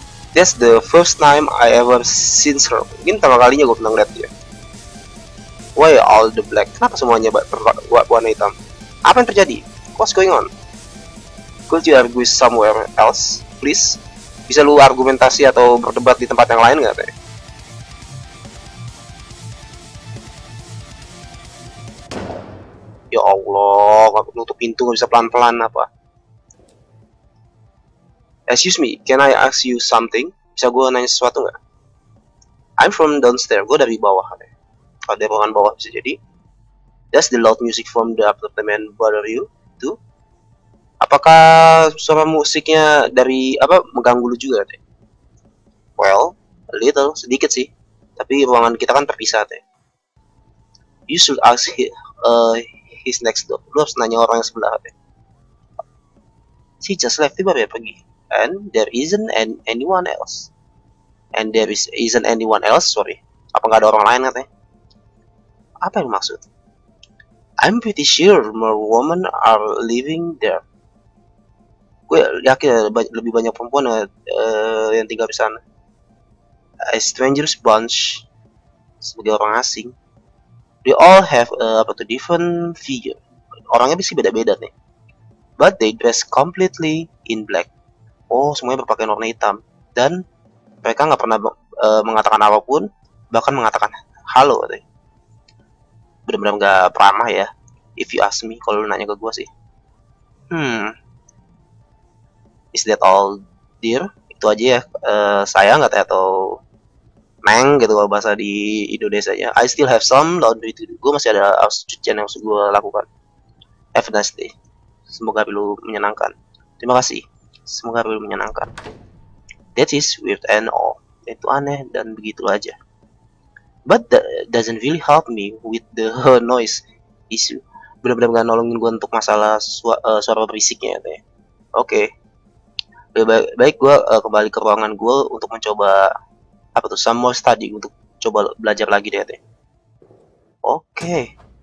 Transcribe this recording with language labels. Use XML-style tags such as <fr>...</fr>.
<en>That's the first time I ever seen her.</en> <id>Ini pertama kalinya gue pernah ngeliat dia.</id> <en>Why all the black?</en> <id>Kenapa semuanya warna hitam? Apa yang terjadi?</id> <en>What's going on? Could you argue somewhere else, please?</en> <id>Bisa lu argumentasi atau berdebat di tempat yang lain gak, Teh? Ya Allah, nutup pintu gak bisa pelan-pelan apa?</id> <en>Excuse me, can I ask you something?</en> <id>Bisa gua nanya sesuatu gak?</id> <en>I'm from downstairs,</en> <id>gua dari bawah, Teh. Kalau dari ruangan bawah bisa jadi.</id> <en>Does the loud music from the apartment bother you, too?</en> <id>Apakah suara musiknya dari apa mengganggu lu juga, Teh?</id> <en>Well, a little,</en> <id>sedikit sih. Tapi ruangan kita kan terpisah, Teh.</id> <en>You should ask his next door.</en> <id>Lu harus nanya orang yang sebelah, Teh.</id> <en>She just left,</en> <id>tiba-tiba ya pergi.</id> <en>And there isn't anyone else. And there isn't anyone else, sorry.</en> <id>Apa nggak ada orang lain, Teh? Apa yang maksud?</id> <en>I'm pretty sure more women are living there.</en> <id>Gue yakin lebih banyak perempuan yang tinggal di sana.</id> <en>A strangers bunch</en> <id>sebagai orang asing.</id> <en>They all have</en> <id>apa tuh</id> <en>different figure.</en> <id>Orangnya bisa beda-beda nih.</id> <en>But they dress completely in black.</en> <id>Oh, semuanya berpakaian warna hitam dan mereka nggak pernah mengatakan apapun, bahkan mengatakan halo. Bener-bener nggak ramah ya.</id> <en>If you ask me,</en> <id>kalau lu nanya ke gue sih.</id> <en>Is that all, dear?</en> <id>Itu aja ya. Saya nggak tahu atau Neng gitu kalau bahasa di Indonesia ya.</id> <en>I still have some laundry to do.</en> <id>Gue masih ada cucian yang harus gue lakukan.</id> <en>Have a nice day.</en> <id>Semoga hari lu menyenangkan. Terima kasih. Semoga hari lu menyenangkan.</id> <en>That is weird and all.</en> <id>Itu aneh dan begitu aja.</id> <en>But that doesn't really help me with the noise issue.</en> <id>Benar-benar gak nolongin gue untuk masalah suara berisiknya ya. Oke. Baik, gue kembali ke ruangan gue untuk mencoba apa tuh,</id> <en>some more study,</en> <id>untuk coba belajar lagi deh. Oke.</id>